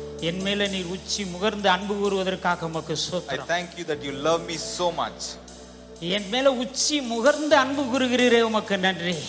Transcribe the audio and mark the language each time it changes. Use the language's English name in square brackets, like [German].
[Tamil] என் மேல நீர் உச்சி முகர்ந்து அன்பு கூறுவதற்காக உமக்கு ஸ்தோத்திரம். [English] I thank you that you love me so much. [Tamil] என் மேல உச்சி முகர்ந்து அன்பு கூறுகிறீரே, உமக்கு நன்றி.